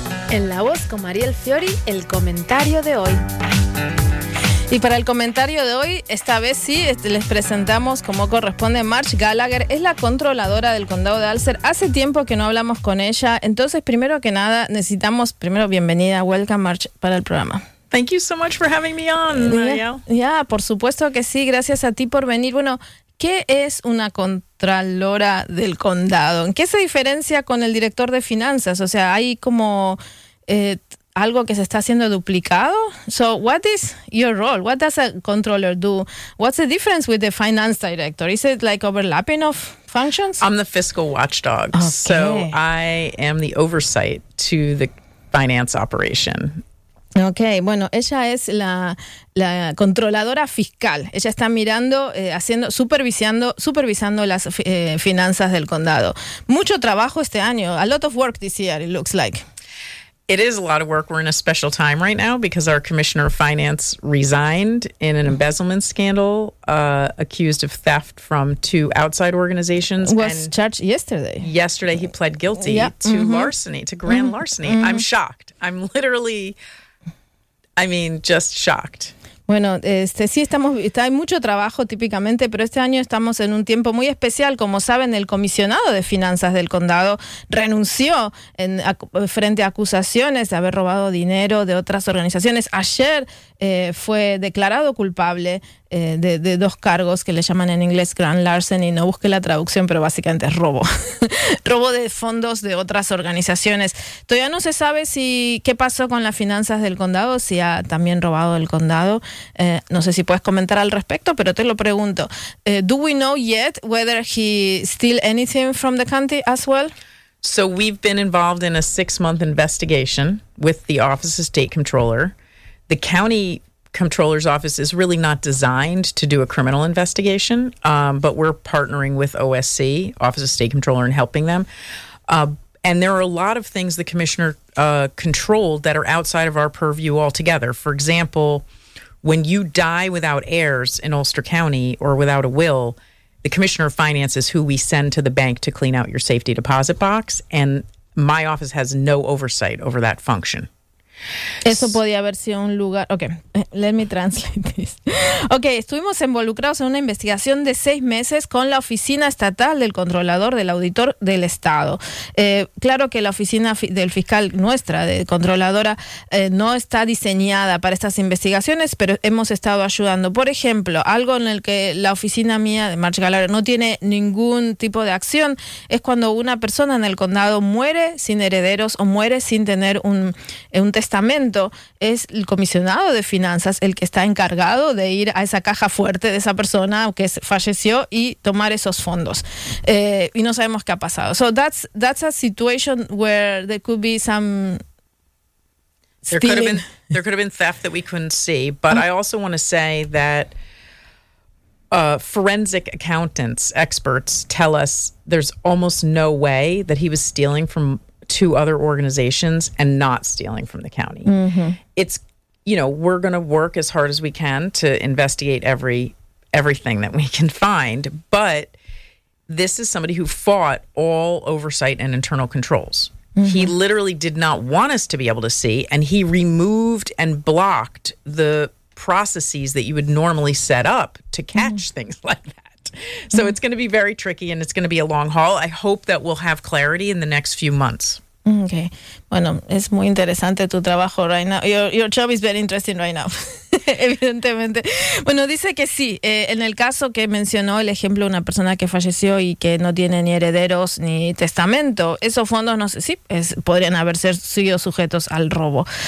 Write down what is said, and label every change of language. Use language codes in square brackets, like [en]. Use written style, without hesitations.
[es] En La Voz con Mariel Fiori, el comentario de hoy. Y para el comentario de hoy, esta vez sí, les presentamos como corresponde Marge Gallagher. Es la controladora del condado de Alcer. Hace tiempo que no hablamos con ella, entonces primero que nada necesitamos, primero bienvenida, welcome Marge, para el programa. [en] Thank you so much for having me on, Mariel. [es] Yeah, por supuesto que sí. Gracias a ti por venir. Bueno, ¿qué es una contralora del condado? ¿En qué se diferencia con el director de finanzas? O sea, ¿hay como algo que se está haciendo duplicado? [en] So, what is your role? What does a controller do? What's the difference with the finance director? Is it like overlapping of functions? I'm the fiscal watchdog. Okay. So, I am the oversight to the finance operation. [es] Okay, bueno, ella es la controladora fiscal. Ella está mirando, supervisando las finanzas del condado. Mucho trabajo este año. [en] A lot of work this year, it looks like. It is a lot of work. We're in a special time right now because our commissioner of finance resigned in an embezzlement scandal, accused of theft from 2 outside organizations. Was and charged yesterday. Yesterday, he pled guilty to mm-hmm. larceny, to grand mm-hmm. larceny. Mm-hmm. I'm shocked. I'm literally... I mean, just shocked. [es] Bueno, sí estamos, hay mucho trabajo típicamente, pero este año estamos en un tiempo muy especial. Como saben, el comisionado de finanzas del condado renunció frente a acusaciones de haber robado dinero de otras organizaciones. Ayer fue declarado culpable de 2 cargos que le llaman en inglés grand larceny. No busqué la traducción, pero básicamente es robo. Robo de fondos de otras organizaciones. Todavía no se sabe qué pasó con las finanzas del condado, si ha también robado el condado. No sé si puedes comentar al respecto, pero te lo pregunto. [en] Do we know yet whether he steal anything from the county as well? So we've been involved in a 6-month investigation with the Office of State Comptroller. The county comptroller's office is really not designed to do a criminal investigation, but we're partnering with OSC, Office of State Comptroller, and helping them. And there are a lot of things the commissioner controlled that are outside of our purview altogether. For example, when you die without heirs in Ulster County or without a will, the commissioner of finance is who we send to the bank to clean out your safety deposit box. And my office has no oversight over that function. [es] Eso podía haber sido un lugar. [en] Ok, let me translate this. [es] Ok, estuvimos involucrados en una investigación de 6 meses con la oficina estatal del controlador, del auditor del estado. Claro que la oficina del fiscal nuestra, de controladora, no está diseñada para estas investigaciones, pero hemos estado ayudando. Por ejemplo, algo en el que la oficina mía de March Gallagher no tiene ningún tipo de acción es cuando una persona en el condado muere sin herederos o muere sin tener un testamento. Es el comisionado de finanzas el que está encargado de ir a esa caja fuerte de esa persona que falleció y tomar esos fondos. Y no sabemos qué ha pasado. [en] So that's a situation where there could be some stealing. There could have been theft that we couldn't see, but I also want to say that forensic accountants, experts tell us there's almost no way that he was stealing from to other organizations and not stealing from the county. Mm-hmm. It's, you know, we're going to work as hard as we can to investigate everything that we can find. But this is somebody who fought all oversight and internal controls. Mm-hmm. He literally did not want us to be able to see, and he removed and blocked the processes that you would normally set up to catch things like that. So it's going to be very tricky, and it's going to be a long haul. I hope that we'll have clarity in the next few months. Okay. [es] Bueno, es muy interesante tu trabajo [en] right now. Your job is very interesting right now. [es] Evidentemente. Bueno, dice que sí. En el caso que mencionó, el ejemplo de una persona que falleció y que no tiene ni herederos ni testamento, esos fondos no sé, sí, podrían haber sido sujetos al robo.